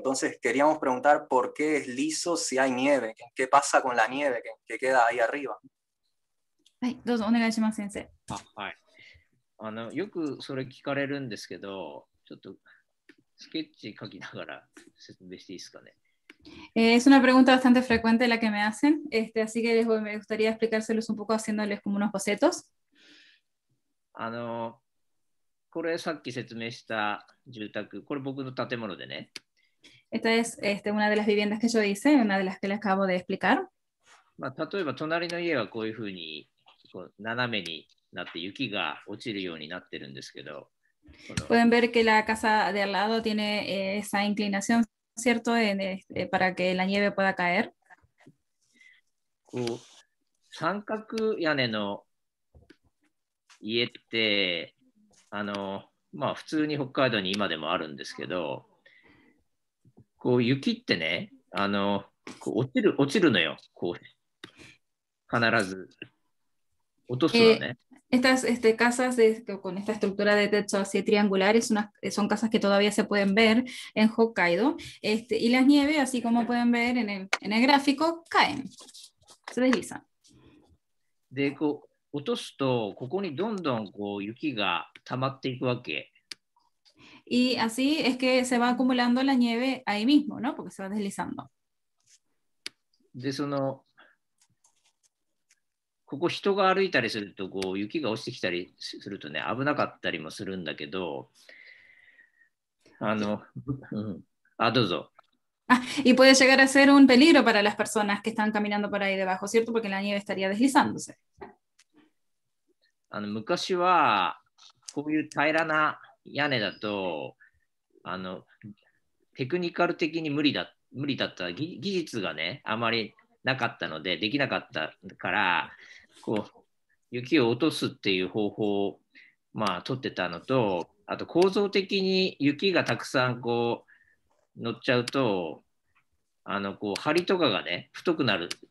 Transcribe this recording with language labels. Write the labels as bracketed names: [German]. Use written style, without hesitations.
[Spanish] Entonces queríamos preguntar por qué es liso si hay nieve. ¿Qué pasa con la nieve que queda ahí arriba? [Japanese] はい、どうぞお願いします、先生。あ、はい。あの、よくそれ聞かれるんですけど、ちょっとスケッチ書きながら説明していいですかね。 [Spanish] Es una pregunta bastante frecuente la que me hacen, así que les, me gustaría explicárselos un poco haciéndoles como unos bocetos. [Japanese] あの、これさっき説明した住宅、これ僕の建物でね。 [Spanish] Esta es este, una de las viviendas que yo hice, una de las que les acabo de explicar. [Japanese] まあ、例えば隣の家はこういうふうに斜めになって雪が落ちるようになってるんですけど。 [Spanish] Pueden ver que la casa de al lado tiene esa inclinación, cierto, en, para que la nieve pueda caer. [Japanese] こう三角屋根の家ってあのまあ普通に北海道に今でもあるんですけど、こう雪ってねあのこう落ちるのよこう必ず。 [Spanish] Estas este, casas de, con esta estructura de techo así triangular es una, son casas que todavía se pueden ver en Hokkaido este, y las nieves, así como pueden ver en el gráfico, caen, se deslizan. [Japanese] De, こう, 落とすと, ここにどんどんこう, 雪が溜まっていくわけ. [Spanish] Y así es que se va acumulando la nieve ahí mismo, ¿no? Porque se va deslizando. [Japanese] De, その... ここ人が歩いたりするとこう雪が落ちてきたりするとね危なかったりもするんだけどあの、うん、あどうぞ。 [Spanish] あ、y puede llegar a ser un peligro para las personas que están caminando por ahí debajo, cierto? Porque la nieve estaría deslizándose. [Japanese] あの昔はこういう平らな屋根だとあのテクニカル的に無理だった技術がねあまりなかったのでできなかったから。こう雪を落とすっていう方法を、まあ、取ってたのと、あと構造的に雪がたくさんこう乗っちゃうと、あのこう梁とかがね、太くなる